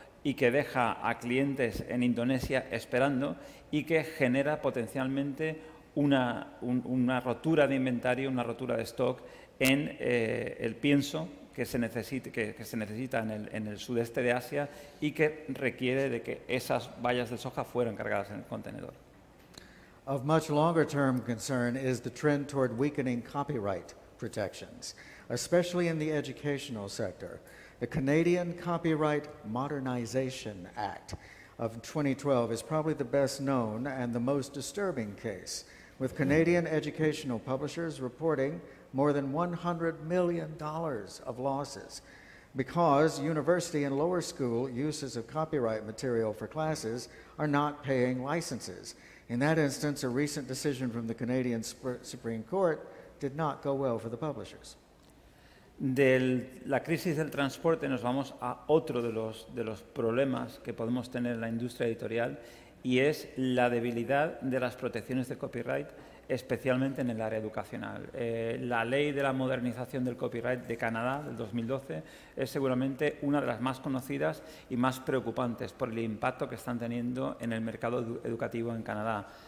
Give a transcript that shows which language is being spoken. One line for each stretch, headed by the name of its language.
Spanish: y que deja a clientes en Indonesia esperando y que genera potencialmente una rotura de inventario, una rotura de stock en el pienso que se necesita en el sudeste de Asia y que requiere de que esas bayas de soja fueran cargadas en el contenedor.
English: Of much longer term concern is the trend toward weakening copyright protections, especially in the educational sector. The Canadian Copyright Modernization Act of 2012 is probably the best known and the most disturbing case, with Canadian educational publishers reporting more than $100 million of losses because university and lower school uses of copyright material for classes are not paying licenses. In that instance, a recent decision from the Canadian Supreme Court did not go well for the publishers.
Spanish: De la crisis del transporte nos vamos a otro de los problemas que podemos tener en la industria editorial y es la debilidad de las protecciones de copyright, especialmente en el área educacional. La ley de la modernización del copyright de Canadá del 2012 es seguramente una de las más conocidas y más preocupantes por el impacto que están teniendo en el mercado educativo en Canadá.